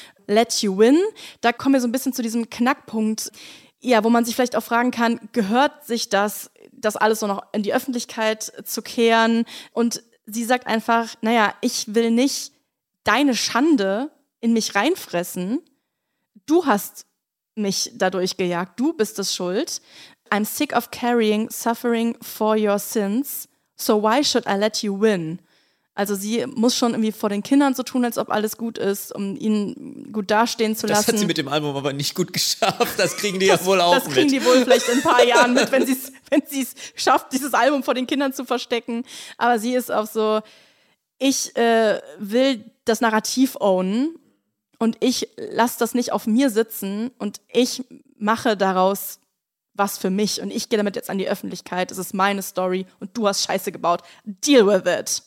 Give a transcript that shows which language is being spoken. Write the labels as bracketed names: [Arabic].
[German] Let You Win, da kommen wir so ein bisschen zu diesem Knackpunkt, ja, wo man sich vielleicht auch fragen kann, gehört sich das alles so noch in die Öffentlichkeit zu kehren? Und sie sagt einfach, naja, ich will nicht deine Schande in mich reinfressen. Du hast mich dadurch gejagt. Du bist das Schuld. [English] I'm sick of carrying suffering for your sins. So why should I let you win? [German] Also sie muss schon irgendwie vor den Kindern so tun, als ob alles gut ist, um ihnen gut dastehen zu lassen. Das hat sie mit dem Album aber nicht gut geschafft. Das kriegen die ja wohl auch mit. Das kriegen die wohl vielleicht in ein paar Jahren mit, wenn sie es schafft, dieses Album vor den Kindern zu verstecken. Aber sie ist auch so, ich will das Narrativ ownen und ich lasse das nicht auf mir sitzen und ich mache daraus was für mich und ich gehe damit jetzt an die Öffentlichkeit, es ist meine Story und du hast Scheiße gebaut, [English] deal with it.